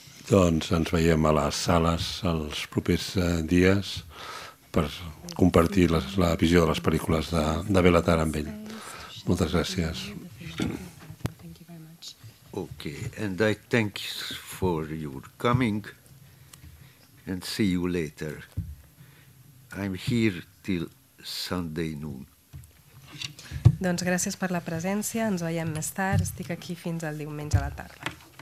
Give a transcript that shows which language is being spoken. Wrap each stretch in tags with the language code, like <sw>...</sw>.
<ca>Doncs ens veiem a les sales els propers dies per compartir la visió de les pel·lícules de Bel Art Art amb ell. Moltes gràcies.</ca> <en>Okay, and I thank you for your coming, and see you later. I'm here till Sunday noon.</en> <ca>Doncs gràcies per la presència. Ens veiem més tard. Estic aquí fins al diumenge a la tarda.</ca>